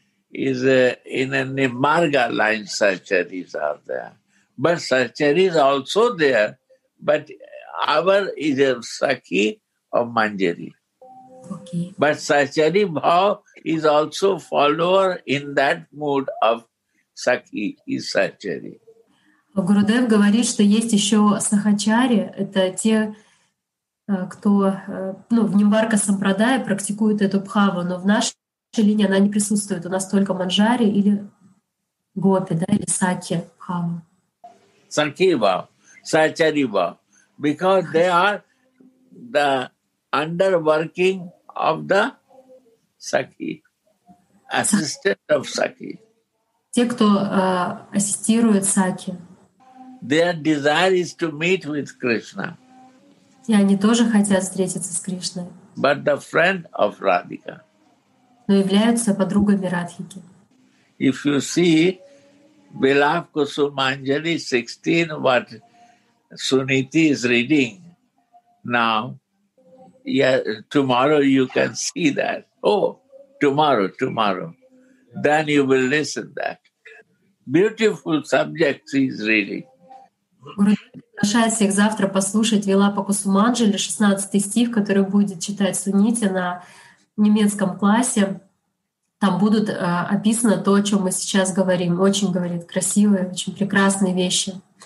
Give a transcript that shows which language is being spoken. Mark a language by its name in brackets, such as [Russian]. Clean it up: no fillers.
[English] Is in a Nimarga line, Sacharis are there. But Sacharis also there, but our is a Sakhi or Manjari. Okay. But Sachari Bhav is also follower in that mood of Sakhi, is Sachari. [Russian] Gurudev говорит, что есть еще Сахачари, это те, кто в Нимарга Сампрадая практикует эту бхаву, но в нашей линия, она не присутствует. У нас только манджари или гопи, да, или сакхи, бхава. Сакхи бхава, сачари бхава. [English] Because they are the underworking of the сакхи, assistant of сакхи. [Russian] Те, кто ассистирует сакхи. [English] Their desire is to meet with Krishna. [Russian] И они тоже хотят встретиться с Кришной. [English] But the friend of Radhika. [Russian] Но являются подругами Радхики. [English] If you see Vilap Kusumanjali 16, what Suniti is reading now, tomorrow you can see that. Oh, tomorrow. Then you will listen that. Beautiful subject she is reading. [Russian] Гуру Приглашаю всех завтра послушать Вилапаку Суманджали, 16 стих, который будет читать Суните на немецком классе. Там будут описано то, о чем мы сейчас говорим. Очень, говорит, красивые, очень прекрасные вещи.